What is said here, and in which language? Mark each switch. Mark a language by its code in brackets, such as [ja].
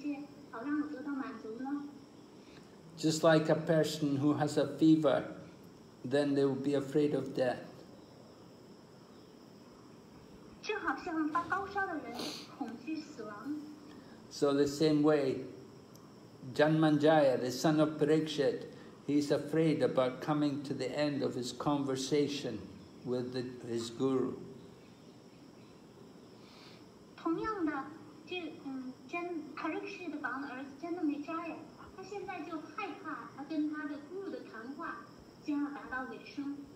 [zh] 然后他就先生给摘了，就说：“我现在明白，您给我讲了这一切，现在我知道了这个故事将来达到了尾声，所以我感到非常难过。您能不能给我更多的讲述一些，好让我得到满足呢？” [en] Just like a person who has a fever, then they will be afraid of death. [zh] 就好像发高烧的人恐惧死亡。So [en] the same way, Janmanjaya, the son of Parikshit, he's afraid about coming to the end of his conversation with his guru. [zh] 同样的，这Parikshit的房的儿子Janmanjaya，他现在就害怕他跟他的guru的谈话将要达到尾声。